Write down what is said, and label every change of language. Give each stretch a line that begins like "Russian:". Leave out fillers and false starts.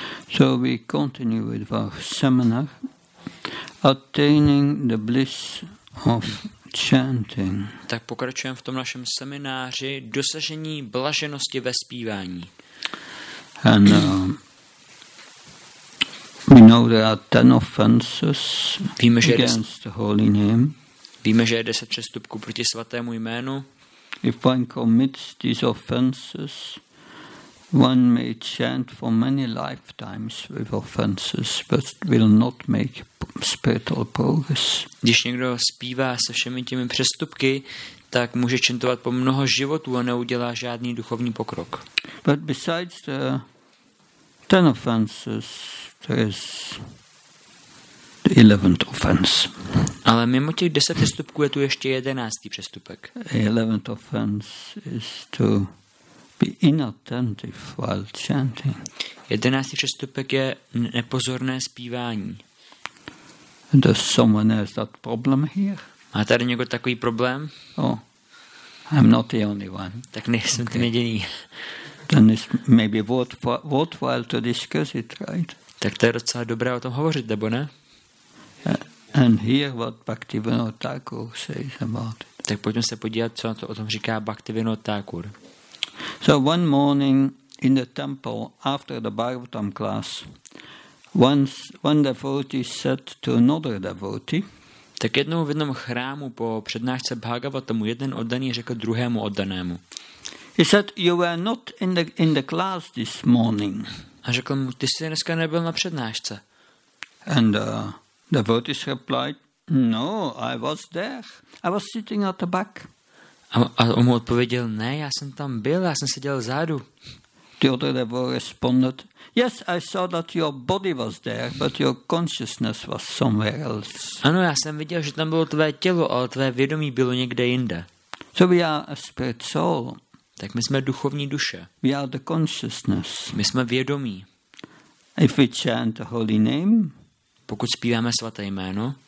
English: So we continue with our seminar, Attaining the Bliss of Chanting.
Czech: Tak pokračujeme v tom našem semináři Dosažení blaženosti ve zpívání.
English: And we know there are 10 offenses against the holy name.
Czech: Víme, že je 10 přestupků proti svatému jménu.
English: If one commits these offenses, one may chant for many lifetimes with offenses, but will not make spiritual progress.
Czech: Když někdo zpívá se všemi těmi přestupky, tak může chantovat po mnoho životů a neudělá žádný duchovní pokrok.
English: But besides the 10 offenses, there is the 11th offense.
Czech: Ale mimo těch 10 přestupků je tu ještě 11. přestupek.
English: The 11th offense is to be inattentive while chanting.
Czech: 11. přestupek je nepozorné zpívání.
English: Does someone have that problem here?
Czech: Má tady někdo takový problém?
English: Oh, I'm not the only one.
Czech: Tak nejsem ten jediný.
English: Then it's maybe worthwhile to discuss it, right?
Czech: Tak to je docela dobré o tom hovořit, nebo ne?
English: And hear what Bhaktivinoda Thakur says about it.
Czech: Tak pojďme se podívat, co to o tom říká Bhaktivinoda Thakur.
English: So one morning in the temple after the Bhagavatam class, one devotee said to another devotee.
Czech: Tak jednou v jednom chrámu po přednášce Bhagavatamu jeden oddaný řekl druhému oddanému.
English: He said, "You were not in the class this morning."
Czech: A řekl mu, ty jsi dneska nebyl na přednášce.
English: And the devotee replied, "No, I was there. I was sitting at the back."
Czech: A on mu odpověděl, ne, já jsem tam byl, já jsem seděl vzadu.
English: The other devotee responded, yes, I saw that your body was there, but your consciousness was somewhere else.
Czech: Ano, já jsem viděl, že tam bylo tvé tělo, ale tvé vědomí bylo někde jinde.
English: So we are a spirit soul.
Czech: Tak my jsme duchovní duše.
English: We are the consciousness.
Czech: My jsme vědomí.
English: If we chant the holy name,
Czech: pokud zpíváme svaté jméno,